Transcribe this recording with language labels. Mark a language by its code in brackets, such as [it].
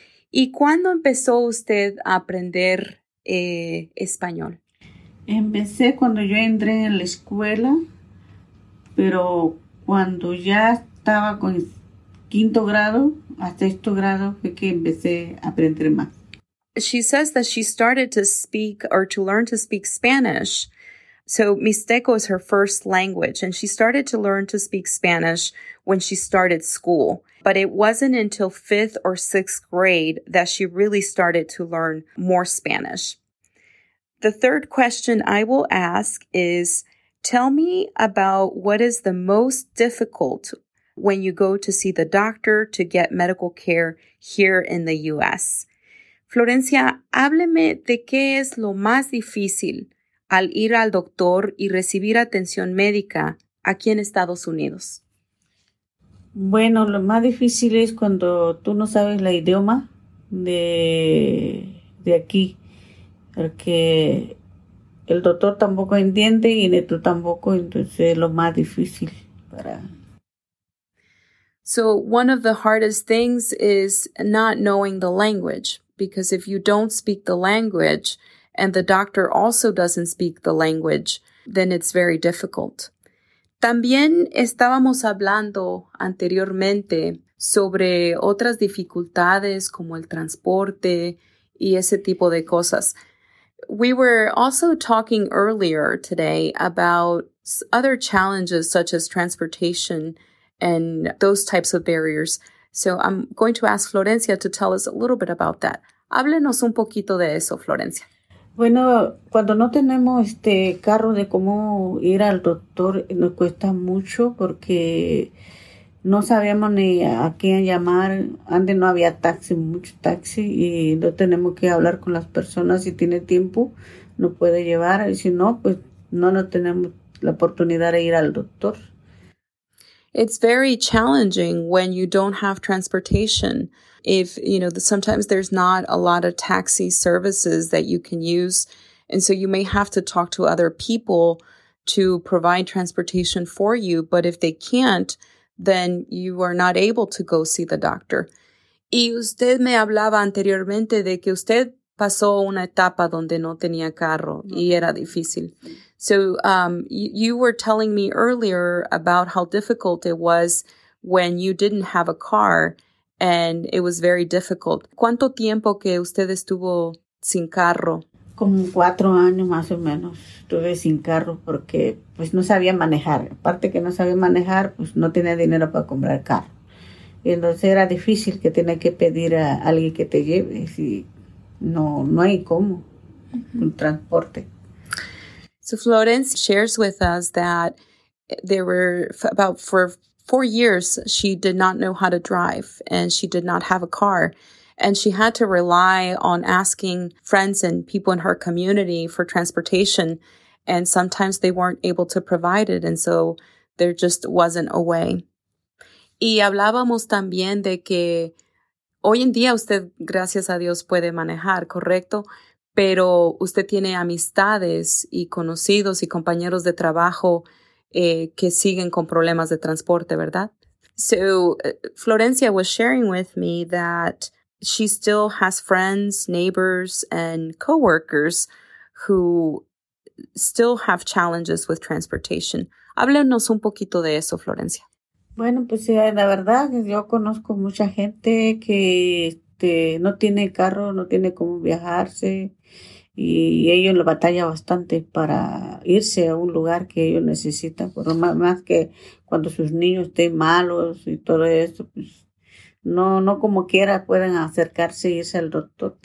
[es] ¿Y cuándo empezó usted a aprender español? Empecé cuando yo entré en la escuela, pero cuando ya estaba con quinto grado, hasta sexto grado, fue que empecé a aprender más. [en] She says that she started to speak or to learn to speak Spanish. So Mixteco is her first language, and she started to learn to speak Spanish when she started school. But it wasn't until fifth or sixth grade that she really started to learn more Spanish. The third question I will ask is, tell me about what is the most difficult when you go to see the doctor to get medical care here in the U.S. [es] Florencia, hábleme de qué es lo más difícil al ir al doctor y recibir atención médica aquí en Estados Unidos. Bueno, lo más difícil es cuando tú no sabes el idioma de aquí, porque el doctor tampoco entiende y ni tú tampoco, entonces es lo más difícil para. [en] So one of the hardest things is not knowing the language, because if you don't speak the language and the doctor also doesn't speak the language, then it's very difficult. [es] También estábamos hablando anteriormente sobre otras dificultades como el transporte y ese tipo de cosas. [en] We were also talking earlier today about other challenges such as transportation and those types of barriers. So I'm going to ask Florencia to tell us a little bit about that. [es] Háblenos un poquito de eso, Florencia. Bueno, cuando no tenemos carro de cómo ir al doctor, nos cuesta mucho porque no sabemos ni a quién llamar. Antes no había taxi, mucho taxi, y no tenemos que hablar con las personas. Si tiene tiempo, nos puede llevar. Y si no, pues no tenemos la oportunidad de ir al doctor. [en] It's very challenging when you don't have transportation. If, sometimes there's not a lot of taxi services that you can use. And so you may have to talk to other people to provide transportation for you. But if they can't, then you are not able to go see the doctor. [es] Y usted me hablaba anteriormente de que usted pasó una etapa donde no tenía carro y era difícil. [en] So you were telling me earlier about how difficult it was when you didn't have a car and it was very difficult. [es] ¿Cuánto tiempo que usted estuvo sin carro? Como 4 años más o menos estuve sin carro porque pues no sabía manejar. Aparte que no sabía manejar, pues no tenía dinero para comprar carro. Y entonces era difícil que tenía que pedir a alguien que te lleve si no hay cómo, un transporte. [en] So Florence shares with us that there were for four years she did not know how to drive and she did not have a car. And she had to rely on asking friends and people in her community for transportation. And sometimes they weren't able to provide it. And so there just wasn't a way. [es] Y hablábamos también de que hoy en día usted, gracias a Dios, puede manejar, ¿correcto? Pero usted tiene amistades y conocidos y compañeros de trabajo que siguen con problemas de transporte, ¿verdad? [en] So Florencia was sharing with me that she still has friends, neighbors, and coworkers who still have challenges with transportation. [es] Háblenos un poquito de eso, Florencia. Bueno, pues la verdad, yo conozco mucha gente que no tiene carro, no tiene cómo viajarse, y ellos lo batallan bastante para irse a un lugar que ellos necesitan, por lo más que cuando sus niños estén malos y todo eso, pues No como quiera pueden acercarse y irse al doctor.